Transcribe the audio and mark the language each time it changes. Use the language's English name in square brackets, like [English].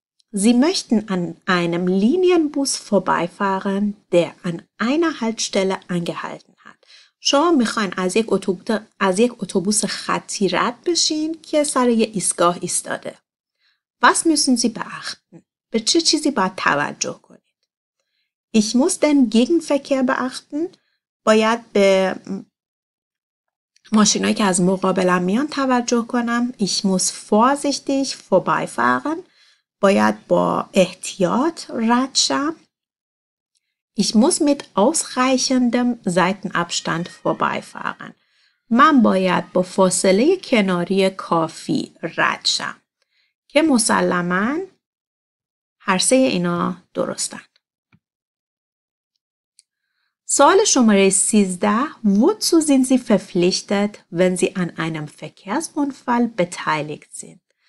[German] Sie möchten an einem Linienbus vorbeifahren, der an einer Haltestelle angehalten hat. [Persian] شما میخواین از یک اتوبوس خطی رد بشین که سر یه ایستگاه ایستاده. [German] Was müssen Sie beachten? [Persian] به چه چیزی باید توجه کنید؟ [German] Ich muss den Gegenverkehr beachten. [Persian] باید به ماشینایی که از مقابلم میان توجه کنم. [German] Ich muss vorsichtig vorbeifahren. [Persian] باید با احتیاط رد شم. [German] Ich muss mit ausreichendem Seitenabstand vorbeifahren. [Persian] من باید با فاصله کناری کافی رد شم. که مسلماً هر سه اینا درستن. سوال شماره 13. [German] Wozu sind Sie verpflichtet, wenn Sie an einem Verkehrsunfall beteiligt sind?